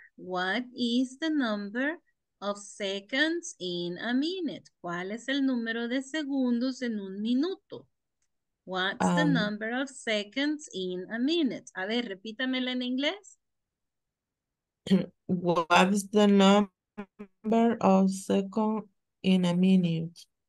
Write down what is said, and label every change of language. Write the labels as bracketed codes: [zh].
[en] What is the number of seconds in a minute? [es] ¿Cuál es el número de segundos en un minuto? [en] What's the number of seconds in a minute? [es] A ver, repítamela en inglés. [en] What's the number of seconds in a minute?